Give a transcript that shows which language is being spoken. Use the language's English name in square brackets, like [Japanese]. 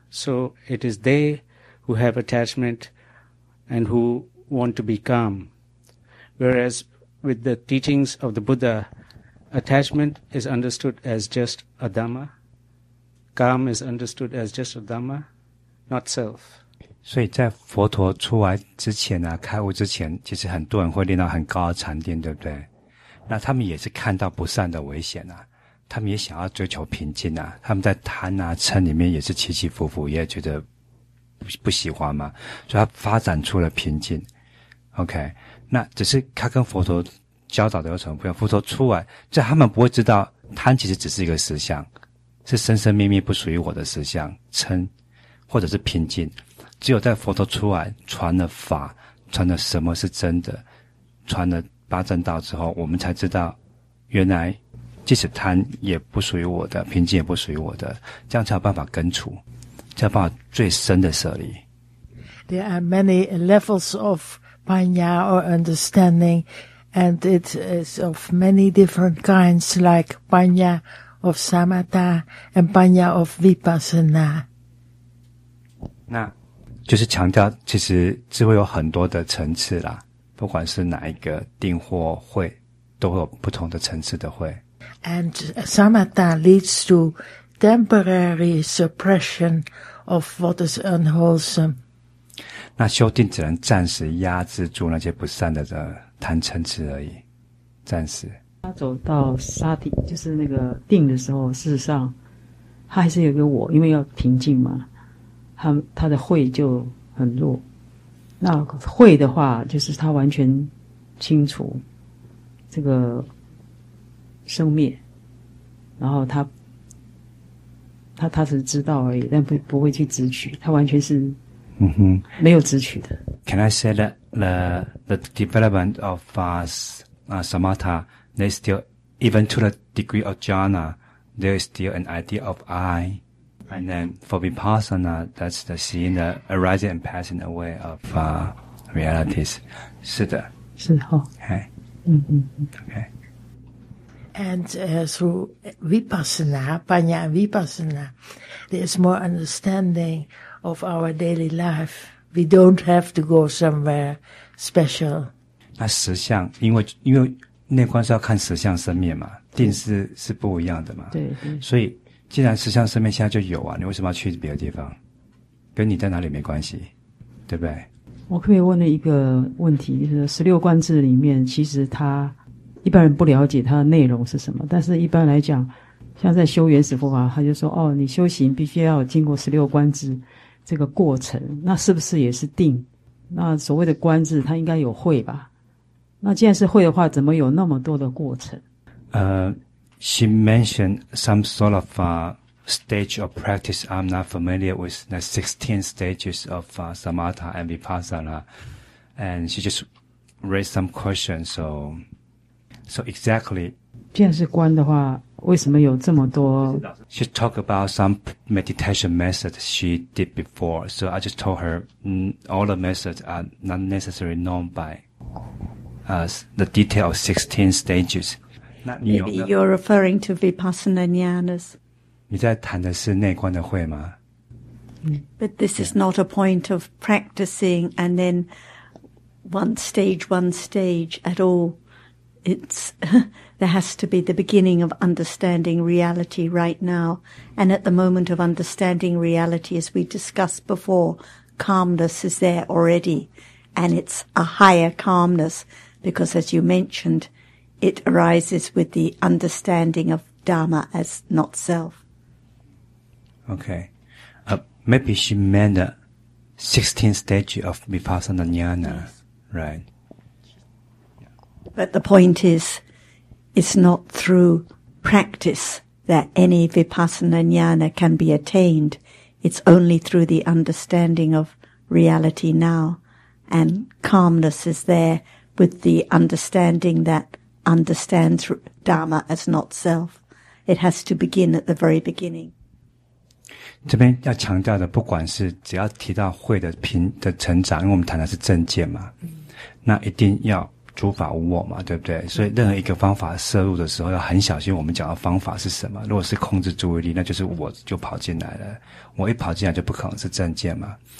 [English] So it is they who have attachment and who want to be calm. Whereas with the teachings of the Buddha,Attachment is understood as just a dhamma. Calm is understood as just a dhamma, not self. [Chinese] 所以在佛陀出来之前啊，开悟之前，其实很多人会练到很高的禅定，对不对？那他们也是看到不善的危险啊，他们也想要追求平静啊，他们在贪啊嗔里面也是起起伏伏，也觉得不喜欢嘛，所以他发展出了平静。OK， 那只是他跟佛陀教导的有什么不一样？佛陀出来，这他们不会知道，贪其实只是一个实相，是生生灭灭不属于我的实相，嗔或者是平静。只有在佛陀出来传了法，传了什么是真的，传了八正道之后，我们才知道原来即使贪也不属于我的，平静也不属于我的，这样才有办法根除，才有办法最深的舍离。 [English] There are many levels of panya or understanding, and it is of many different kinds, like panya of samatha and panya of vipassana. [Chinese] 那就是强调其实智慧有很多的层次啦，不管是哪一个定或慧，都会有不同的层次的慧。 [English] And samatha leads to temporary suppression of what is unwholesome. [Chinese] 那修定只能暂时压制住那些不善的贪嗔痴而已，暂时。他走到沙底，就是那个定的时候，事实上他还是有一个我，因为要平静嘛，他的慧就很弱。那慧的话，就是他完全清楚这个生灭，然后他是知道而已，但不会去执取，他完全是没有执取的。 [English] Can I say that the development of samatha, there is still, even to the degree of jhana, there is still an idea of I. And then for vipassana, that's the seeing the arising and passing away of realities. [Chinese] 是的，是哦。 [English] Okay. 嗯嗯。 Okay. And through vipassana, panya vipassana, there is more understanding of our daily life. We don't have to go somewhere special. [Chinese] 那实相，因为内观是要看实相生灭嘛，定是不一样的嘛。对。所以。既然实相生命现在就有啊，你为什么要去别的地方？跟你在哪里没关系，对不对？我可以问了一个问题，就是十六观智里面，其实它一般人不了解它的内容是什么，但是一般来讲，像在修原始佛法，他就说哦，你修行必须要经过十六观智这个过程，那是不是也是定？那所谓的观智，它应该有慧吧？那既然是慧的话，怎么有那么多的过程？ [English] She mentioned some sort of stage of practice. I'm not familiar with the 16 stages of samatha and vipassana. And she just raised some questions. So exactly. [Chinese] 既然是观的话，为什么有这么多？ [English] She talked about some meditation methods she did before. So I just told her, all the methods are not necessarily known by the detail of 16 stages. You're referring to Vipassana Jnanas. [Chinese] 你在谈的是内观的慧吗？ [English] But this is not a point of practicing and then one stage at all. It's, there has to be the beginning of understanding reality right now. And at the moment of understanding reality, as we discussed before, calmness is there already. And it's a higher calmness because, as you mentioned,It arises with the understanding of Dharma as not self. Okay. Maybe she meant the 16th stage of Vipassana Jnana, right? But the point is, it's not through practice that any Vipassana Jnana can be attained. It's only through the understanding of reality now. And calmness is there with the understanding thatunderstands Dharma as not self. It has to begin at the very beginning. [Chinese] 这边要强调的，不管是只要提到慧的成长，因为我们谈的是正见嘛，那一定要诸法无我嘛，对不对？所以任何一个方法摄入的时候，要很小心我们讲的方法是什么。如果是控制注意力，那就是我就跑进来了，我一跑进来就不可能是正见嘛。